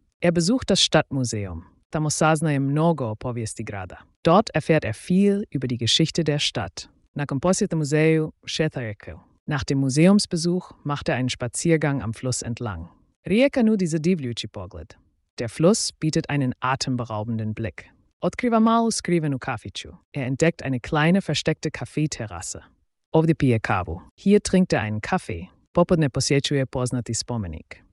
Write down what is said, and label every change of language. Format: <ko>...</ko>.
<de>Er besucht das Stadtmuseum.</de> <hr>Tamo saznaje mnogo o povijesti grada.</hr> <de>Dort erfährt er viel über die Geschichte der Stadt.</de> <hr>Nakon posjeta muzeju šeta rijekom.</hr> <de>Nach dem Museumsbesuch macht er einen Spaziergang am Fluss entlang.</de> <hr>Rijeka nudi zadivljujući pogled.</hr> <de>Der Fluss bietet einen atemberaubenden Blick.</de> <hr>Otkriva malu skrivenu kafiću.</hr> <de>Er entdeckt eine kleine versteckte Kaffeeterrasse.</de> <hr>Ovdje pije kavu.</hr> <de>Hier trinkt er einen Kaffee.</de> <hr>Popodne posjećuje poznati spomenik.</hr>